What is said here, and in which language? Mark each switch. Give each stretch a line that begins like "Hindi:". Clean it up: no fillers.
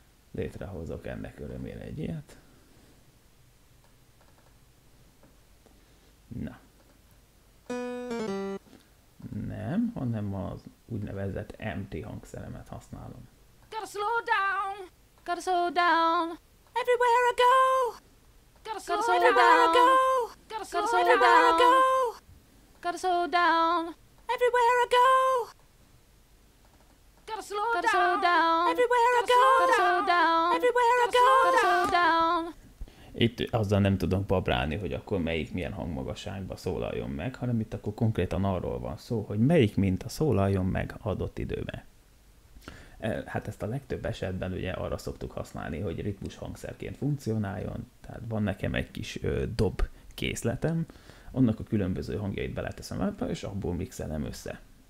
Hungarian: Létrehozok ennek örömére egy ilyet. Na. Nem, hanem az úgynevezett empty hangszeremet használom.
English: Gotta slow down, gotta slow down, everywhere I go. Gotta slow down, gotta slow down, gotta slow down, everywhere I go. Gotta slow down, everywhere I go. Gotta slow down, everywhere I go.
Hungarian: itt azzal nem tudom babrálni, hogy akkor melyik milyen hangmagasságban szólaljon meg, hanem itt akkor konkrétan arról van szó, hogy melyik minta szólaljon meg adott időben. Hát ezt a legtöbb esetben ugye arra szoktuk használni, hogy ritmus hangszerként funkcionáljon, tehát van nekem egy kis dob készletem, annak a különböző hangjait beleteszem ebbe, és abból mixelem össze.